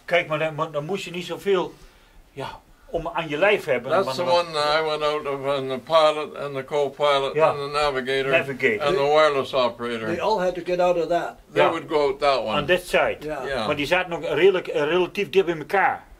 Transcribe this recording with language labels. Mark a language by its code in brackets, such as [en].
[nl] Kijk, maar dan moest je niet zoveel om aan je lijf hebben. [en] That's the one that I went out of, and the pilot, and the co-pilot, and the navigator, and the wireless operator. They all had to get out of that. They would go out that one. On that side. Yeah. [nl] Maar die zaten nog relatief dicht bij elkaar.